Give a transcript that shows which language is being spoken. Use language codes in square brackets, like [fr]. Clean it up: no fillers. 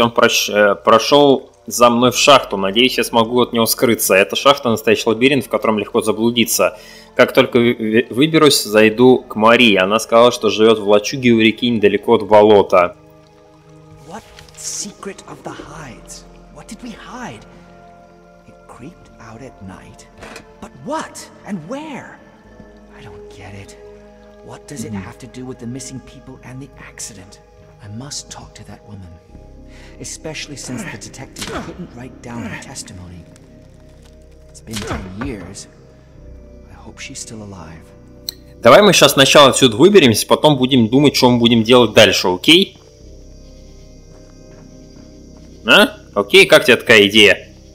[ru] Он прошел за мной в шахту. Надеюсь, я смогу от него скрыться. Эта шахта – настоящий лабиринт, в котором легко заблудиться. Как только выберусь, зайду к Марии. Она сказала, что живет в лачуге у реки недалеко от болота. [en] What secret of the hides? What did we hide? It creeped out at night. But what? And where? I don't get it. What does it have to do with the missing people and the accident? I must talk to that woman. Especially since the detective couldn't write down her testimony. It's been 10 years. I hope she's still alive. [ru] Давай мы сейчас сначала отсюда выберемся, потом будем думать, что мы будем делать дальше, окей? А? Окей, как тебе такая идея?